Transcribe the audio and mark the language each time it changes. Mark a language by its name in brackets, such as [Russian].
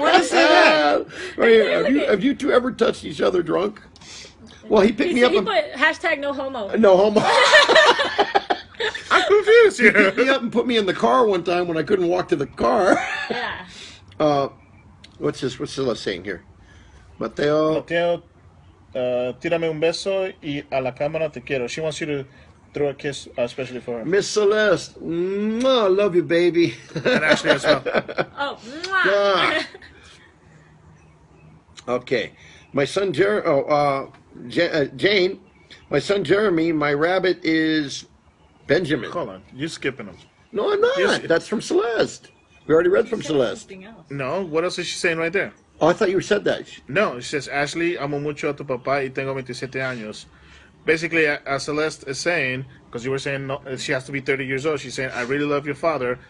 [English] What is that? Right here, have you two ever touched each other drunk? Well, he picked me up. Hashtag no homo. No homo. I'm confused here. He picked me up and put me in the car one time when I couldn't walk to the car. Yeah. What's this? What's Silla saying here? Mateo. [Spanish] Mateo, tírame un beso y a la cámara te quiero. [English] She wants you to throw a kiss, especially for her. Miss Celeste. Mwah, I love you, baby. And Ashley as well. Oh, okay. My son, Jane, my son Jeremy, my rabbit is Benjamin. Hold on, you're skipping him. No, I'm not. That's from Celeste. We already read from Celeste. No, what else is she saying right there? Oh, I thought you said that. No, she says, [Spanish] Ashley, amo mucho a tu papá y tengo 27 años. [English] Basically, as Celeste is saying, because you were saying no, she has to be 30 years old, she's saying, I really love your father.